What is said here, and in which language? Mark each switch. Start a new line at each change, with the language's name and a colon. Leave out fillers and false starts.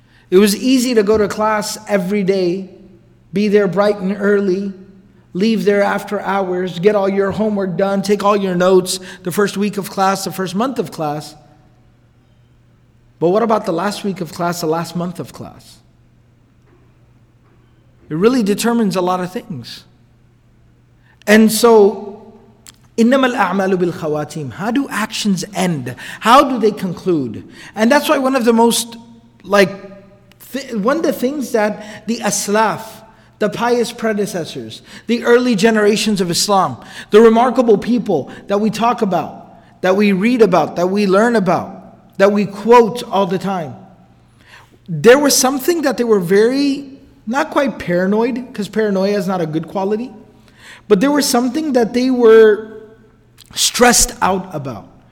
English: It was easy to go to class every day, be there bright and early, leave there after hours, get all your homework done, take all your notes the first week of class, the first month of class. But what about the last week of class, the last month of class? It really determines a lot of things. And so,
Arabic: إِنَّمَا الْأَعْمَالُ بِالْخَوَاتِيمِ.
English: How do actions end? How do they conclude? And that's why one of the most, one of the things that the aslaf, the pious predecessors, the early generations of Islam, the remarkable people that we talk about, that we read about, that we learn about, that we quote all the time, there was something that they were very, not quite paranoid, because paranoia is not a good quality, but there was something that they were stressed out about.